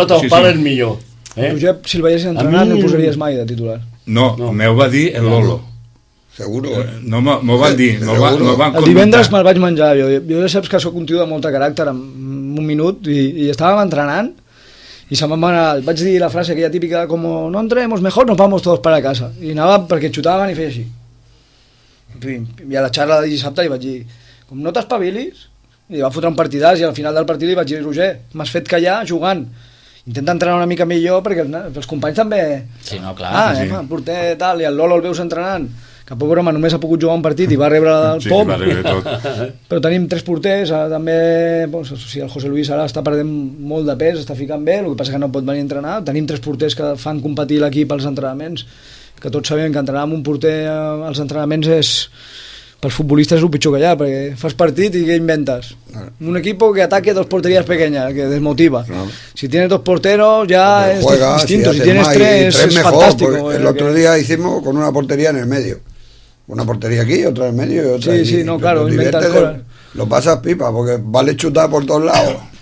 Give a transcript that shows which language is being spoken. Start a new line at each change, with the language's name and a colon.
Catalan: Sota el pal és millor. Josep, si el veies entrenar, no el posaries mai de titular. No, m'ho va dir el Lolo.
Spanish: Seguro.
Catalan: No, m'ho van dir. El divendres me'l vaig menjar. Jo ja saps que sóc un tio de molta caràcter, en un minut, i estàvem entrenant, i se me'n va anar... Vaig dir la frase aquella típica, com,
Spanish: no entremos mejor, nos vamos todos para casa.
Catalan: I anava perquè xutaven i feia així. I a la xarra de dissabte li vaig dir, com no t'espavilis, i va fotre un partidàs, i al final del partit li vaig dir, Roger, m'has fet callar jugant. Intenta entrenar una mica millor perquè els companys també... Sí, no, clar. Ah, sí. Porter, tal, i el Lolo el veus entrenant. Que pobre home, només ha pogut jugar un partit i va rebre el sí, pom. Va rebre tot. Però tenim tres porters, també... Doncs, o sigui, el José Luis ara està perdent molt de pes, està ficant bé, el que passa que no pot venir a entrenar. Tenim tres porters que fan competir l'equip als entrenaments, que tots sabem que entrenar amb un porter als entrenaments és... Pels futbolistes és el pitjor que hi ha, perquè fas partit i què inventes?
Spanish: Un equip que ataque dos porterías pequeñas, que desmotiva. Si tienes dos porteros, ya juega, es distinto. Si tienes tres es mejor, fantástico. El otro día hicimos con una portería en el medio. Una portería aquí, otra en el medio y otra sí, allí. Sí, no, claro, inventas cosas. Lo pasas pipa, porque vale chutar por todos lados.